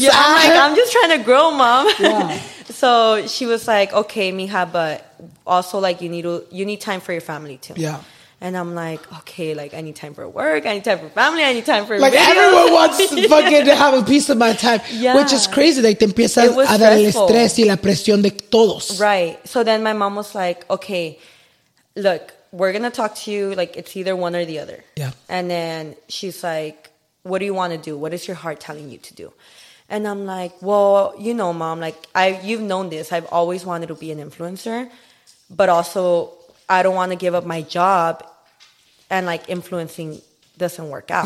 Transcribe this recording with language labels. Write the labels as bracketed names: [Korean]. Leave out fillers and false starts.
[English] Yeah, I'm like, I'm just trying to grow, mom. Yeah. So she was like, okay, mija, but also like you need time for your family too. Yeah. And I'm like, okay, like I need time for work, I need time for family, I need time for like videos. Everyone wants fucking to have a piece of my time. Yeah. Which is crazy. [Spanish] Like te empiezas a dar el estrés y la presión de todos. [English] Right. So then my mom was like, okay, look, we're gonna talk to you, like it's either one or the other. Yeah. And then she's like, what do you wanna do? What is your heart telling you to do? And I'm like, well, you know, mom, like you've known this. I've always wanted to be an influencer, but also I don't want to give up my job and like influencing doesn't work out.